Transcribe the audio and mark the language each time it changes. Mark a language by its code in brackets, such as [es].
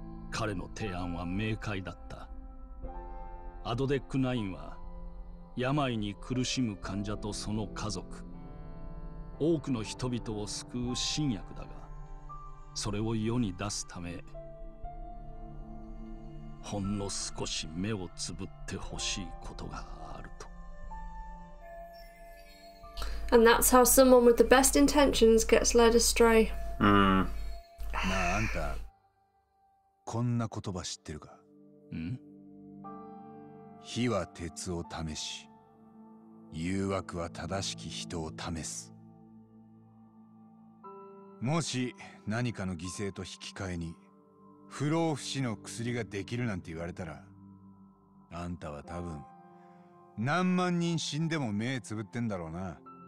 [ja] 彼の提案は明快だった。アドデックナインは病に苦しむ患者とその家族、多くの人々を救う新薬だが、それを世に出すためほんの少し目をつぶってほしいことがあると。 [en] And that's how someone with the best intentions gets led astray. [ja] なあ、あんたこんな言葉知ってるか？ん？火は鉄を試し、誘惑は正しき人を試す。もし何かの犠牲と引き換えに不老不死の薬ができるなんて言われたら、あんたは多分何万人死んでも目つぶってんだろうな。